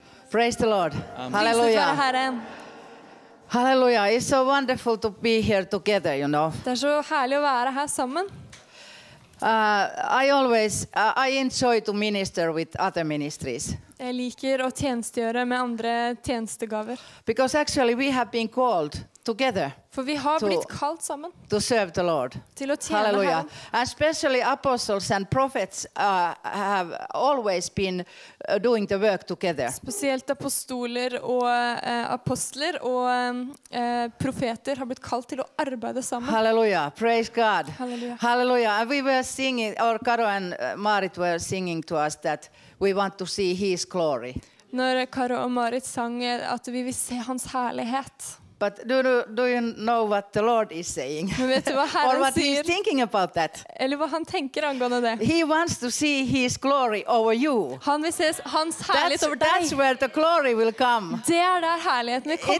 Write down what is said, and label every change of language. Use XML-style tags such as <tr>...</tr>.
<en>Praise the Lord. Amen. Hallelujah. Hallelujah. It's so wonderful to be here together, you know.</en> <no>Det er så herlig å være her sammen.</no> <en>I enjoy to minister with other ministries.</en> <no>Jeg liker å tjenestegjøre med andre tjenestegaver.</no> <en>Because actually we have been called together.</en> <no>For vi har blitt kalt sammen.</no> <en>To serve the Lord.</en> <no>Til å tjene Hallelujah. Herren.</no> <en>Especially apostles and prophets have always been doing the work together.</en> <no>Spesielt apostoler og apostler og profeter har blitt kalt til å arbeide sammen.</no> <en>Hallelujah. Praise God. Hallelujah. Hallelujah. And we were singing, or Karo and Marit were singing to us that we want to see His glory.</en> <sv>När Karo och Marit sang att vi vill se hans härlighet.</sv> <en>But do you know what the Lord is saying? Or what he's thinking about that?</en> <sv>Eller vad han tänker angående det?</sv> <en>He wants to see his glory over you.</en> <sv>Han vill se hans härlighet över dig.</sv> <en>That's where the glory will come.</en> <sv>Det är där härligheten kommer.</sv>